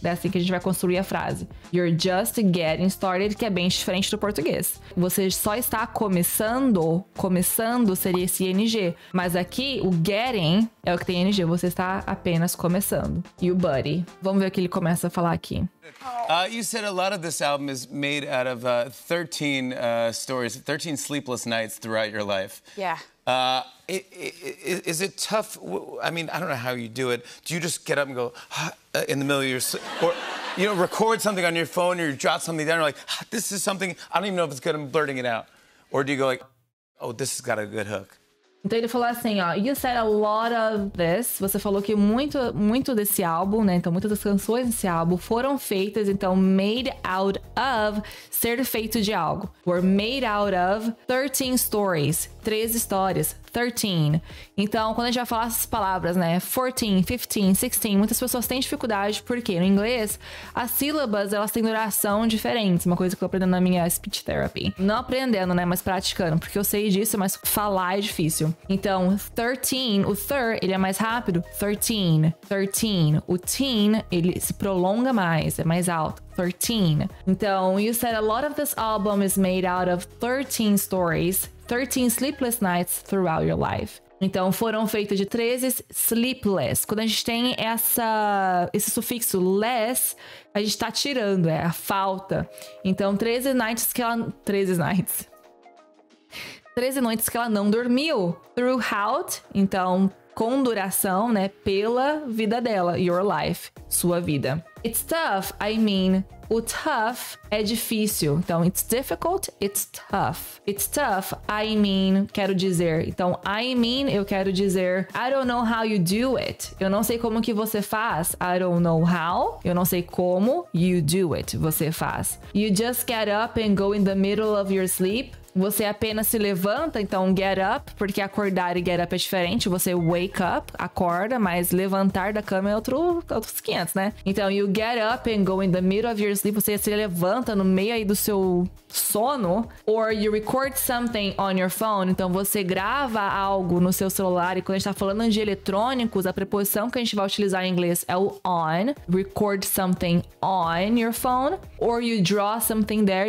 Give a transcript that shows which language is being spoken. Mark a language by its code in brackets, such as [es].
[pt] É assim que a gente vai construir a frase. [en] You're just getting started, [pt] que é bem diferente do português. Você só está começando, começando seria esse ing. Mas aqui, o getting é o que tem ing, você está apenas começando. E o buddy, vamos ver o que ele começa a falar aqui. [en] You said a lot of this album is made out of 13 stories, 13 sleepless nights throughout your life. Yeah. Is it tough? I mean, I don't know how you do it. Do you just get up and go in the middle of your sleep? Or, you know, record something on your phone or you jot something down. You're like, this is something, I don't even know if it's good, I'm blurting it out. Or do you go like, oh, this has got a good hook? [pt] Então ele falou assim, ó, [en] you said a lot of this, [pt] você falou que muito, muito desse álbum, né, então muitas das canções desse álbum foram feitas, então made out of, ser feito de algo, [en] were made out of 13 stories, [pt] 13 histórias, 13, então quando a gente vai falar essas palavras, né, 14, 15, 16, muitas pessoas têm dificuldade, porque no inglês, as sílabas, elas têm duração diferente, uma coisa que eu tô aprendendo na minha speech therapy, não aprendendo, né, mas praticando, porque eu sei disso, mas falar é difícil. Então, 13, o thir, ele é mais rápido. 13, 13. O teen, ele se prolonga mais, é mais alto. 13. [en] Então, you said a lot of this album is made out of 13 stories, 13 sleepless nights throughout your life. [pt] Então, foram feitos de 13 sleepless. Quando a gente tem esse sufixo less, a gente tá tirando, é a falta. Então, 13 nights que ela... 13 nights. 13 noites que ela não dormiu. Throughout, então, com duração, né, pela vida dela, your life, sua vida. [en] It's tough, I mean, [pt] o tough é difícil, então [en] it's difficult, it's tough. It's tough, I mean, [pt] quero dizer, então [en] I mean, [pt] eu quero dizer, [en] I don't know how you do it, [pt] eu não sei como que você faz, [en] I don't know how, [pt] eu não sei como, [en] you do it, [pt] você faz. [en] You just get up and go in the middle of your sleep. [pt] Você apenas se levanta, então get up, porque acordar e get up é diferente. Você wake up, acorda, mas levantar da cama é outros 500, né? Então, [en] you get up and go in the middle of your sleep. [pt] Você se levanta no meio aí do seu sono. [en] Or you record something on your phone. [pt] Então, você grava algo no seu celular. E quando a gente tá falando de eletrônicos, a preposição que a gente vai utilizar em inglês é o on. [en] Record something on your phone. Or you draw something there.